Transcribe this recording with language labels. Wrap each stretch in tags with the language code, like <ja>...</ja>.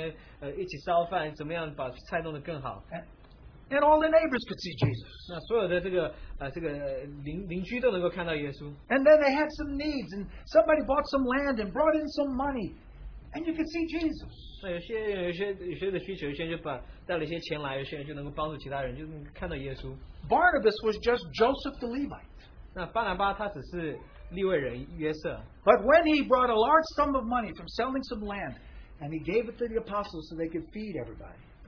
<zh>那早期的教会,他们在每个人家里面,在那边一起烧饭,怎么样把菜弄得更好。</zh> <en>And all the neighbors could see Jesus.</en> <zh>那所有的这个邻居都能够看到耶稣。</zh> <en>And then they had some needs, and somebody bought some land and brought in some money, and you could see Jesus.</en> <zh>那有些人需求，有些人就带了一些钱来，有些人就能够帮助其他人，就能看到耶稣。</zh> <en>Barnabas was just Joseph the Levite.</en> <zh>那巴拿巴他只是利未人约瑟。</zh> <en>But when he brought a large sum of money from selling some land, and he gave it to the apostles so they could feed everybody,</en>